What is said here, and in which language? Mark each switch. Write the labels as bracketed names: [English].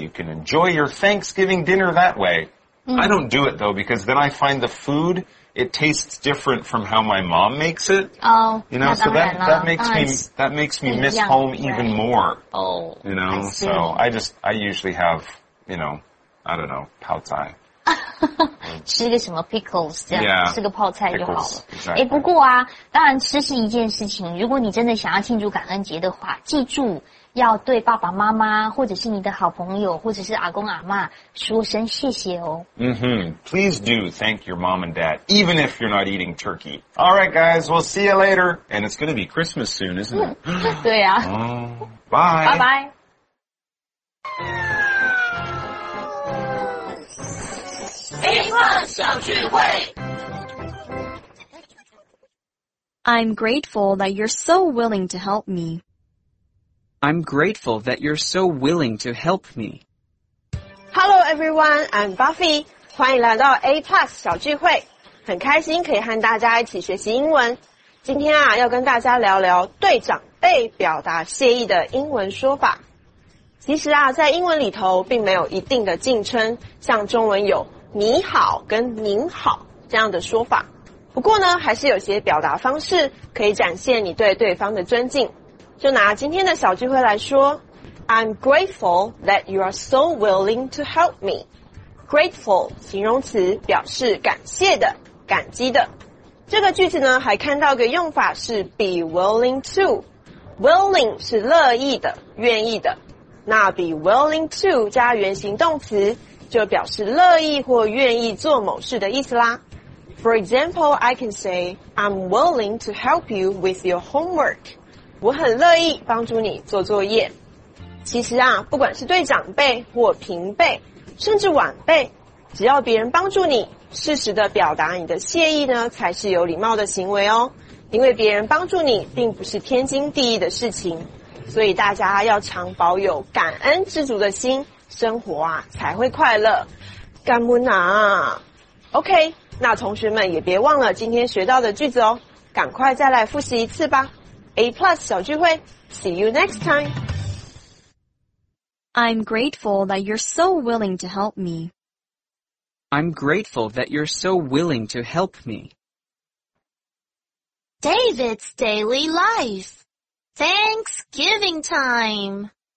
[English] You can enjoy your Thanksgiving dinner that way. I don't do it, though, because then I find the food, it tastes different from how my mom makes it. Oh, you know, so that makes me miss home even more. Oh, you know, so I usually have, you know, I don't know, pao cai. [Chinese] 吃个什么 [English] pickles [Chinese] 这样 yeah, 吃个泡菜就好了 [English] pickles,、exactly. [Chinese] 不过啊当然吃是一件事情如果你真的想要庆祝感恩节的话记住要对爸爸妈妈或者是你的好朋友或者是阿公阿嬷说声谢谢哦、 mm-hmm. [English] Please do thank your mom and dad even if you're not eating turkey Alright guys we'll see you later and it's going to be Christmas soon isn't it [Chinese] 对啊、 [English] Bye Bye I'm grateful that you're so willing to help me. I'm grateful that you're so willing to help me. Hello everyone, I'm Buffy. [Chinese] 欢迎来到 A Plus 小聚会，很开心可以和大家一起学习英文。今天啊，要跟大家聊聊对长辈表达谢意的英文说法。其实啊，在英文里头并没有一定的敬称，像中文有。你好跟您好这样的说法不过呢还是有些表达方式可以展现你对对方的尊敬就拿今天的小聚会来说 [English] I'm grateful that you are so willing to help me [Chinese] grateful 形容词表示感谢的感激的这个句子呢还看到个用法是 [English] be willing to [Chinese] willing 是乐意的愿意的那 be willing to 加原形动词就表示乐意或愿意做某事的意思啦。 [English] For example, I can say, I'm willing to help you with your homework. [Chinese] 我很乐意帮助你做作业。其实啊，不管是对长辈或平辈，甚至晚辈，只要别人帮助你，适时的表达你的谢意呢，才是有礼貌的行为哦。因为别人帮助你，并不是天经地义的事情，所以大家要常保有感恩知足的心，生活啊才会快乐。干不拿 ，OK。那同学们也别忘了今天学到的句子哦，赶快再来复习一次吧。 [English] A Plus [Chinese] 小聚会 [English] ，See you next time。 I'm grateful that you're so willing to help me. I'm grateful that you're so willing to help me. David's daily life. Thanksgiving time.